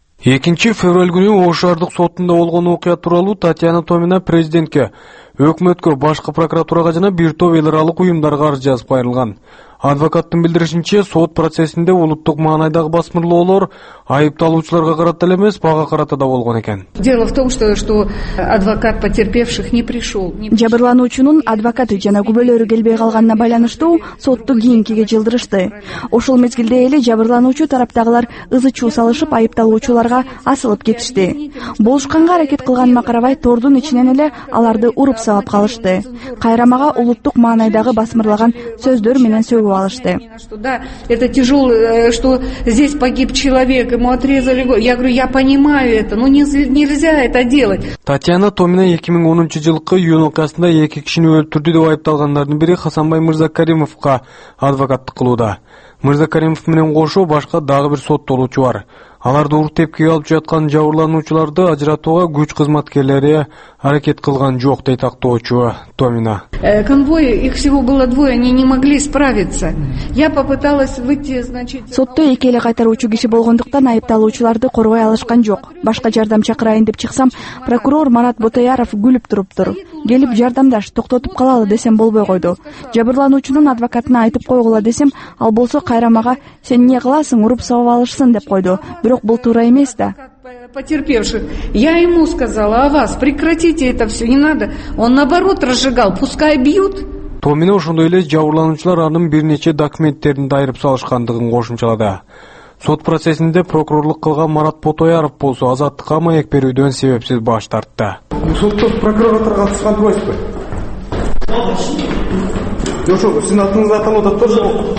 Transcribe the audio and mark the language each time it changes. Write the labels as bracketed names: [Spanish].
[Kyrgyz] 2 февраль күнү Ош шаардык сотунда болгон окуя тууралуу Татьяна Томина президентке, өкмөткө, башкы прокуратурага жана бир топ эл аралык уюмдарга арыз жазып кайрылган. Адвокаттын билдиришинче, сот процессинде улуттук маанайдагы басмырлоолор айыпталуучуларга карата эле эмес, бага карата да болгон экен. [Russian] Дело в том, что адвокат потерпевших не пришел. [Kyrgyz] Жабырлануучунун адвокаты жана күбөлөрү келбей калганына байланыштуу сотту кийинкиге жылдырышты. Ошол мезгилде эле жабырлануучу тараптагылар ызы чуу салышып айыпталуучуларга асылып кетишти. Болушканга аракет кылган Макарабай тордун ичинен эле аларды уруп салып калышты. Кайрамага улуттук маанайдагы басмырлаган сөздөр менен сөгүп алышты. [Russian] Да, это тяжело, что здесь погиб человек, ему отрезали голову. Я говорю, я понимаю это, но нельзя это делать. [Kyrgyz] Татьяна Томина 2010 жылкы июнь окуясында 2 кишини өлтүрдү деп айыпталгандардын бири Хасанбай Мырзакаримовго адвокаттык кылууда. Мырзакаримов менен кошо башка дагы бир соттолуучу бар. Аларды ур тепкиге алып жаткан жабырлануучуларды ажыратууга күч кызматкерлери аракет кылган жок, дейт актоочу Томина. [Russian] Конвой, их всего было двое, они не могли справиться. Я попыталась выйти, значит... [Kyrgyz] Сотто эки эле кайтаруучу киши болгондуктан айыпталуучуларды корубай алышкан жок. Башка жардам чакырайын деп чыксам, прокурор Марат Ботаяров күлүп туруптур. Келип жардамдаш, токтотуп калалы десем болбой койду. Жабырлануучунун адвокатына айтып койгула десем, ал болсо кайрамага, сен эмне кыласың, уруп сабап алышсың деп койду. Бирок бул туура эмес да. [Russian] Потерпевших. Я ему сказала, а вас, прекратите это все, не надо. Он наоборот разжигал, пускай бьют. [Kyrgyz] Томина ошондой эле жабырлануучулар анын бир нече документтерин дайырып салышкандыгын кошумчалады. Сот процессинде прокурорлук кылган Марат Ботояров болсо азаттыкка маек берүүдөн себепсиз баш тартты. Сотто прокурорго катышкан болсо. Жошо, сиздин атыңызды аталып атат, [Russian] тоже [Kyrgyz] жок.